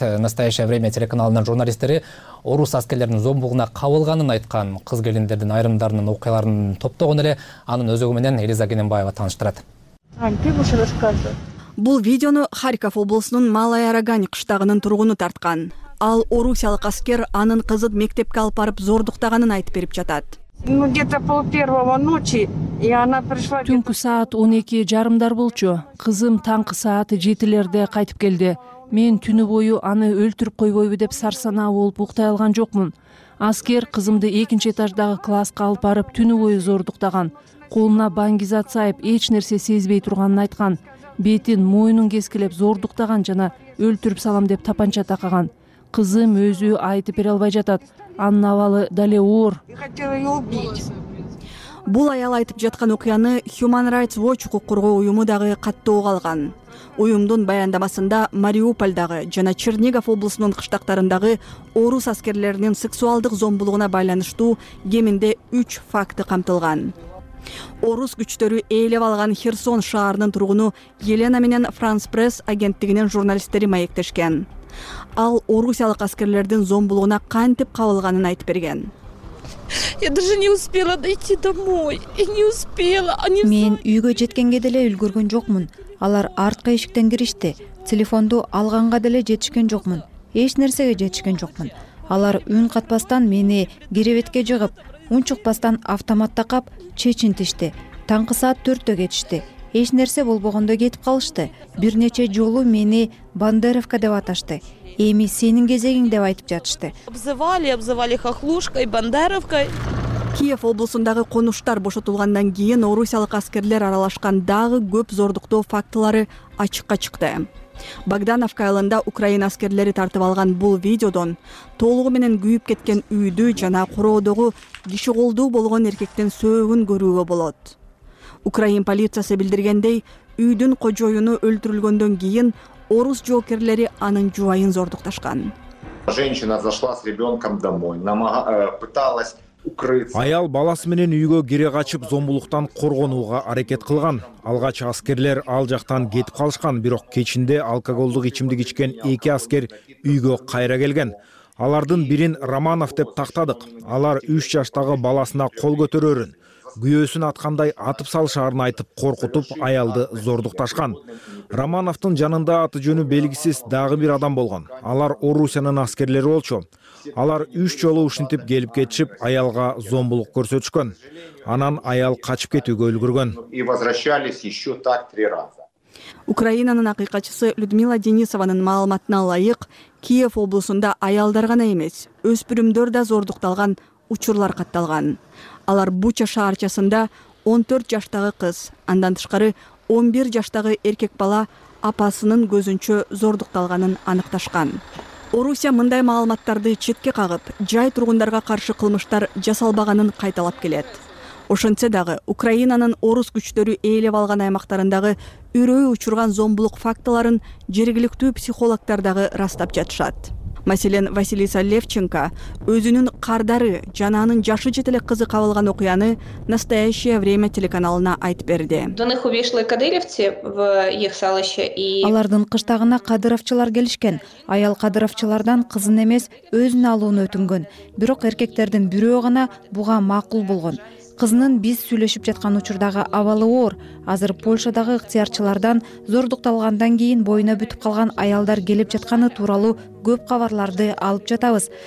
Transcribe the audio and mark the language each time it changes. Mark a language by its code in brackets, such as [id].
[ky] Настоящее время телеканалынын журналисттери орус аскерлеринин зомбулугуна кабылганын айткан кыз келиндердин айрымдарынын окуяларын топтогон эле анын өзөгү менен Элиза Кененбаева тааныштырат. Бул видеону Харьков облусунун Малая Арагань кыштагынын тургуну тарткан. Ал орусиялык аскер анын кызын мектепке алып барып зордуктаганын айтып берип жатат. [ru] Где-то пол первого ночи, и она пришла. [ky] Түнкү саат 12:30 болчу. Кызым таңкы саат 7:00 кайтып келди. Мен түнү бою аны өлтүрүп койбойбу деп сарсана болуп уктай алган жокмун. Аскер кызымды 2-этаждагы класска алып барып түнү бою зордуктаган. Колуна бангизат сайып, эч нерсе сезбей турганын айткан. Бетин мойнун кескилеп зордуктаган жана өлтүрүп салам деп тапанча такаган. Кызым өзү айтып бере албай жатат. Анын абалы дале оор. Бул аял айтып жаткан окуяны Human Rights Watch укук коргоо уюму дагы каттоого алган. Уюмдун баяндамасында Мариупольдагы жана Чернигов облусунун кыштактарындагы орус аскерлеринин сексуалдык зомбулугуна байланыштуу кеминде 3 факты камтылган. Орус күчтөрү ээлеп алган Херсон шаарынын тургуну Елена менен France Press агенттигинин журналисттери маектешкен. Ал орусиялык аскерлердин зомбулугуна кантип кабылганын айтып берген. [ru] Я даже не успела дойти домой. Я не успела. [ky] Мен үйгө жеткенге деле үлгүргөн жокмун. Алар арткы эшиктен киришти. Телефонду алганга деле жетишкен жокмун. Эч нерсеге жетишкен жокмун. Алар үн катпастан мени керебетке жыгып, унчукпастан автоматта кап чечинтишти. Таңкы саат 4:00 кетишти. Эч нерсе болбогондо кетип калышты. Бир нече жолу мени Бандеровка деп аташты. Эми сенин кезегиң деп айтып жатышты. [ru] Обзывали хохлушкой, Бандеровкой. [ky] Киев облусундагы конуштар бошотулгандан кийин орусиялык аскерлер аралашкан дагы көп зордуктоо фактылары ачыкка чыкты. Богдановка айылында Украина аскерлери тартып алган бул видеодон толугу менен күйүп кеткен үйдү жана куроодогу киши колдуу болгон эркектин сөөгүн көрүүгө болот. Украин полициясы билдиргендей, үйдүн кожоюну өлтүрүлгөндөн кийин орус жоокерлери анын жубайын зордукташкан. [ru] Женщина зашла с ребенком домой, пыталась укрыться. [ky] Аял баласы менен үйгө кире качып зомбулуктан коргонууга аракет кылган. Алгач аскерлер ал жактан кетип калышкан, бирок кечинде алкоголдук ичимдик ичкен 2 аскер үйгө кайра келген. Алардын бирин Романов деп тактадык. Алар 3 жаштагы баласына кол көтөрөрүн, күйөөсүн аткандай атып салышаарын айтып коркутуп аялды зордукташкан. Романовтун жанында аты жөнү белгисиз дагы бир адам болгон. Алар Орусиянын аскерлери болчу. Алар 3 жолу ушинтип келип кетишип, аялга зомбулук көрсөтүшкөн. Анан аял качып кетүүгө үлгүргөн. [ru] И возвращались еще так 3 раза. [ky] Украинанын акыйкатчысы Людмила Денисованын маалыматына ылайык, Киев облусунда аялдар гана эмес, өспүрүмдөр да зордукталган учурлар катталган. Алар Буча шаарчасында 14 жаштагы кыз, андан тышкары 11 жаштагы эркек бала апасынын көзүнчө зордукталганын аныкташкан. Орусия мындай маалыматтарды четке кагып, жай тургундарга каршы кылмыштар жасалбаганын кайталап келет. Ошентсе дагы Украинанын орус күчтөрү ээлеп алган аймактарындагы үрөй учурган зомбулук фактыларын жергиликтүү психологтор дагы ырастап жатышат. Маселен, Василиса Левченко өзүнүн кардары жана анын жашы жете эле кызы кабылган окуяны Настоящее время телеканалына айтып берди. [ru] До них увешли кадыровцы в их селище и [ky] алардын кыштагына кадыровчулар келишкен. Аял кадыровчулардан кызын эмес, өзүн алууну өтүнгөн. Бирок эркектердин бирөө гана буга макул болгон. Кызынын биз сүйлөшүп жаткан учурдагы абалы оор. Азыр Польшадагы ыктыярчылардан зордукталгандан кийин боюна бүтүп калган аялдар келип жатканы тууралуу көп кабарларды алып жатабыз.